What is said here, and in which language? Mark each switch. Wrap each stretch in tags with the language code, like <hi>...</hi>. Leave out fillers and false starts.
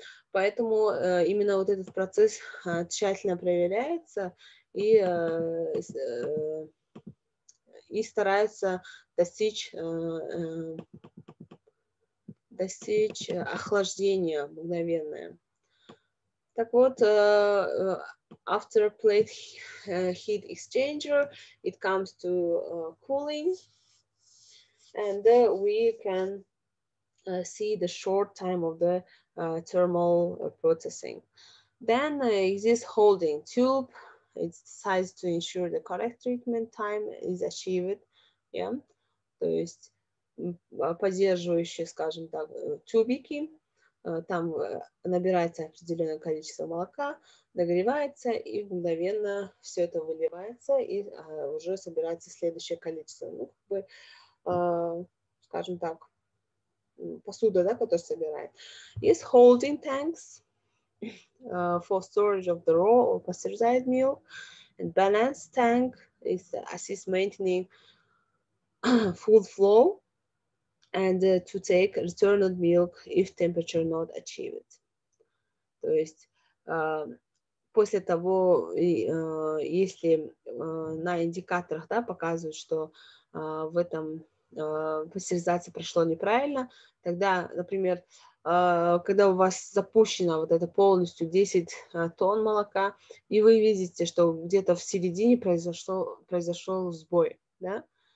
<ru>Поэтому именно вот этот процесс тщательно проверяется и старается достичь охлаждения мгновенное. Так вот,</ru> <en>after plate heat exchanger, it comes to cooling, and we can see the short time of the thermal processing. Then exists holding tube. It's sized to ensure the correct treatment time is achieved.</en> <ru>Yeah, то есть поддерживающие, скажем так, тюбики. Там набирается определенное количество молока, нагревается, и мгновенно все это выливается, и уже собирается следующее количество. Ну, как бы, скажем так, посуда, да, которую собирает.</ru> <en>Is holding tanks for storage of the raw or pasteurized milk. And balance tank is assist maintaining full flow and to take returned milk if temperature not achieved.</en> <ru>То есть после того, если на индикаторах, да, показывают, что в этом пастеризация прошла неправильно, тогда, например, когда у вас запущено вот это полностью 10 тонн молока, и вы видите, что где-то в середине произошел сбой, да?</ru>